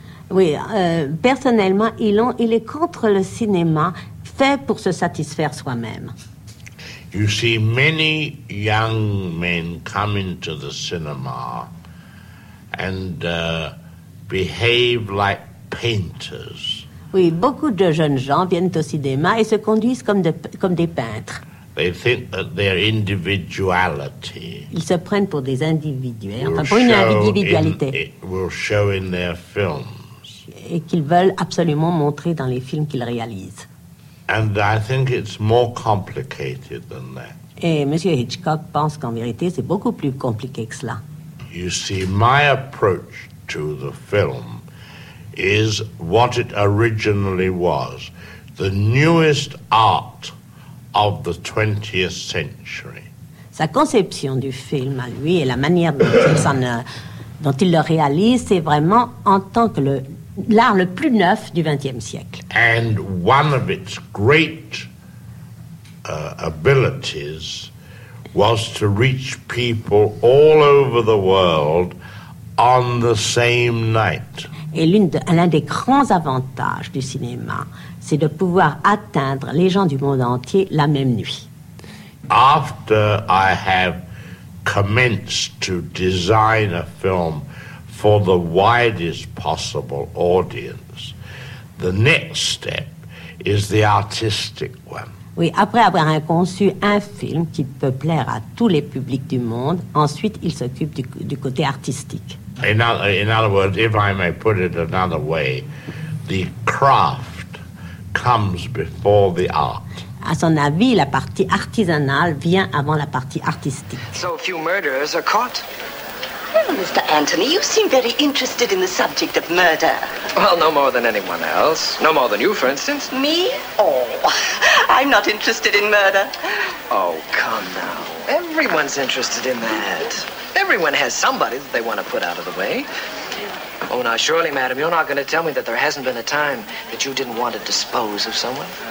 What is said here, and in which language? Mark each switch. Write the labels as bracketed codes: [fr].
[fr] Oui, personnellement, il est contre le cinéma fait pour se satisfaire soi-même. [en] You see, many young men come into the cinema and behave like painters. [fr] Oui, beaucoup de jeunes gens viennent au cinéma et se conduisent comme des peintres. [en] They think that their individuality. [fr] Ils se prennent pour des individus, enfin pour une individualité. [en] Will show in their films. [fr] Et qu'ils veulent absolument montrer dans les films qu'ils réalisent. [en] And I think it's more complicated than that. [fr] Et M. Hitchcock pense qu'en vérité, c'est beaucoup plus compliqué que cela. [en] You see, my approach to the film is what it originally was, the newest art of the 20th century. [fr] Sa conception du film à lui et la manière dont il le réalise, c'est vraiment en tant que l'art le plus neuf du 20e siècle. [en] And one of its great abilities was to reach people all over the world on the same night. [fr] Et l'un des grands avantages du cinéma, c'est de pouvoir atteindre les gens du monde entier la même nuit. [en] After I have commenced to design a film for the widest possible audience, the next step is the artistic one. [fr] Oui, après avoir conçu un film qui peut plaire à tous les publics du monde, ensuite il s'occupe du côté artistique. [en] In other words, if I may put it another way, the craft comes before the art. [fr] À son avis, la partie artisanale vient avant la partie artistique. [en] So few murderers are caught. Well, Mr. Anthony, you seem very interested in the subject of murder. Well, no more than anyone else. No more than you, for instance. Me? Oh, I'm not interested in murder. Oh, come now. Everyone's interested in that. Everyone has somebody that they want to put out of the way. Oh, now, surely, madam, you're not going to tell me that there hasn't been a time that you didn't want to dispose of someone?